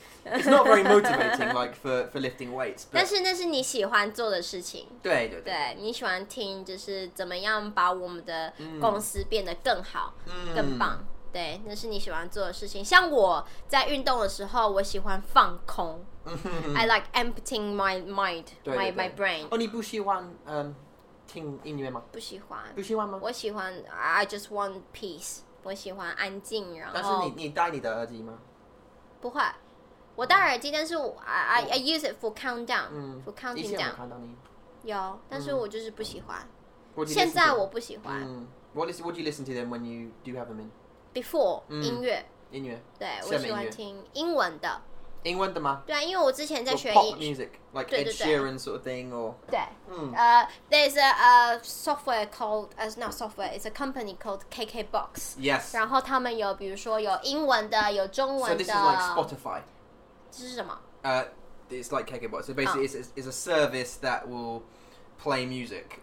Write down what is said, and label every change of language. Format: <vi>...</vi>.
<en>It's not very motivating, like, for lifting weights. But</en> <zh>但是那是你喜欢做的事情。对对对。对，你喜欢听就是怎么样把我们的公司变得更好，更棒。对，那是你喜欢做的事情。像我在运动的时候，我喜欢放空。</zh> <en>I like emptying my mind,</en> <zh>对对对</zh> <en>my brain.</en> <zh>Oh, 你不喜欢听音乐吗？不喜欢。不喜欢吗？我喜欢。</zh> <en>I just want peace.</en> <zh>我喜欢安静。然后。但是你戴你的耳机吗？不会，我戴耳机，但是</zh> <en>I use it for countdown. For counting down.</en> <zh>以前有看到你。有，但是我就是不喜欢。现在我不喜欢。</zh> <en>What do you listen to then when you do have them in? Before</en> <zh>音乐。音乐。对，我喜欢听英文的。英文的吗？对啊，因为我之前在学</zh> <en>pop music, like Ed Sheeran sort of thing, or 对，there's a software called as not software, it's a company called KKBox. Yes.</en> <zh>然后他们有比如说有英文的，有中文的。</zh> <en>So this is like Spotify.</en> <zh>这是什么？</zh> <en>It's like KKBox. So basically, it's a service that will play music.</en>